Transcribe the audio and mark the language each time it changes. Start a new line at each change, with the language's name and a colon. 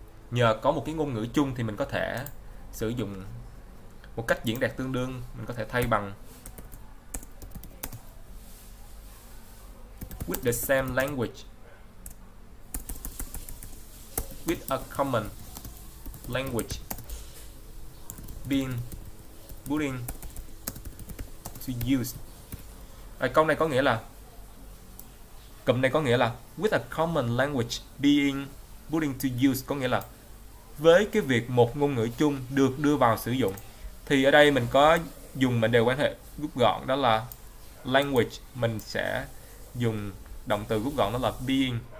Vietnamese: Nhờ có một cái ngôn ngữ chung thì mình có thể sử dụng một cách diễn đạt tương đương. Mình có thể thay bằng
English: with the same language, with a common language being put in to use.
Vietnamese: Câu này có nghĩa là, cụm này có nghĩa là
English: with a common language being put in to use,
Vietnamese: có nghĩa là với cái việc một ngôn ngữ chung được đưa vào sử dụng. Thì ở đây mình có dùng mệnh đề quan hệ rút gọn, đó là language, mình sẽ dùng động từ rút gọn đó là being.